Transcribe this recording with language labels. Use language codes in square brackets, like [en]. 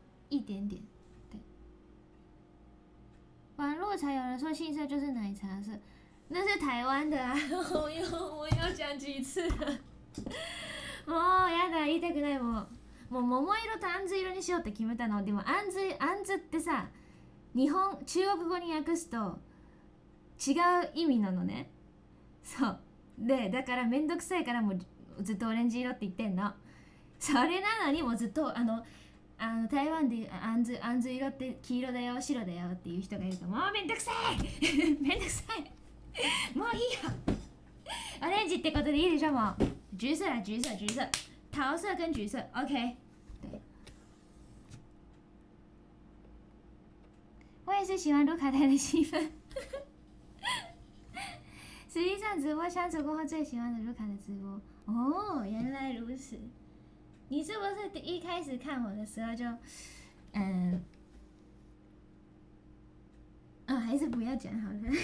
[zh] 一点点，对。网络才有人说杏色就是奶茶色，那是台湾的啊！我又讲几次了， [ja] もうやだ言いたくない、もう桃色とあんず色にしようって決めたの。でもあんずってさ、日本中国語に訳すと違う意味なのね。そう。でだからめんどくさいからもうずっとオレンジ色って言ってんの。それなのにもうずっとあの台湾でアンズ色って黄色だよ白だよっていう人がいると、もうめんどくさいめんどくさいもういいよオレンジってことでいいでしょ、もう橘色だ、橘色、橘色、 [zh] 桃色跟橘色 OK。对，我也是喜欢卢卡台的气氛。实际上直播相处过后最喜欢的卢卡的直播。哦，原来如此。你是不是一开始看我的时候就，还是不要讲好了。